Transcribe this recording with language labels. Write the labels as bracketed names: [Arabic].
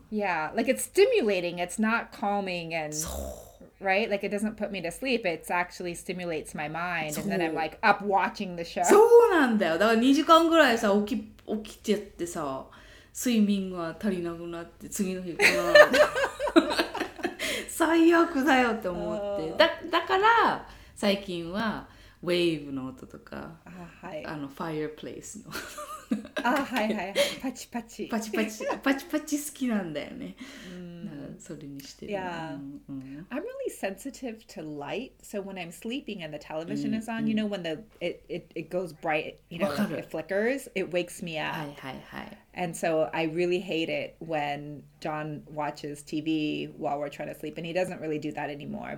[English] Yeah, like it's stimulating. It's not calming and, right? Like it doesn't put me to sleep. It actually stimulates my mind. And then I'm like up watching the show. [Japanese] そうなんだよ。だから2時間ぐらいさ、起きちゃってさ、睡眠が足りなくなって、次の日かな。最悪だよって思って、oh. だから最近はウェーブの音とか、はい、ファイアプレイスの音とか、はいはい、パチパチパチパチパチパチ好きなんだよね、それにしてる、 [English] yeah. I'm really sensitive to light, so when I'm sleeping and the television is on, you know when it goes bright, you know, it flickers, it wakes me up. [Japanese] はいはいはい。 [English] And so I really hate it when John watches TV while we're trying to sleep. And he doesn't really do that anymore.